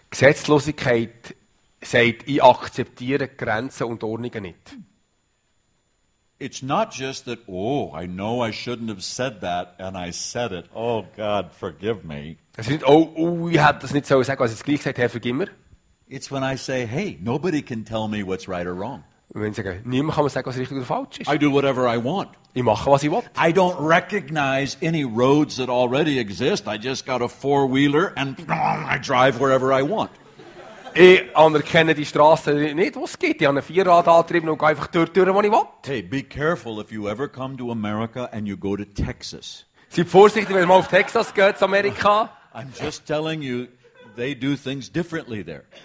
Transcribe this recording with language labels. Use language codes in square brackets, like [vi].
[de] Gesetzlosigkeit sagt, ich akzeptiere Grenzen und Ordnungen nicht. [en] It's not just that, oh, I know I shouldn't have said that, and I said it. Oh, God, forgive me. [de] Es ist nicht, oh, ich hätte das nicht so sagen, was ich gleich gesagt habe, vergib mir. [en] It's when I say, hey, nobody can tell me what's right or wrong. [de] Wenn ich sage, niemand kann mir sagen, was richtig oder falsch ist. [en] I do whatever I want. [de] Ich mache, was ich will. [en] I don't recognize any roads that already exist. I just got a four-wheeler and I drive wherever I want. [de] Ich anerkenne die Straße nicht, wo es geht. Ich habe einen Vierradantrieb und gehe einfach durch, wo ich will. [en] Hey, be careful if you ever come to America and you go to Texas. [de] Seid vorsichtig, wenn ihr mal auf Texas geht, zu Amerika. [en] I'm just telling you, they do things differently there.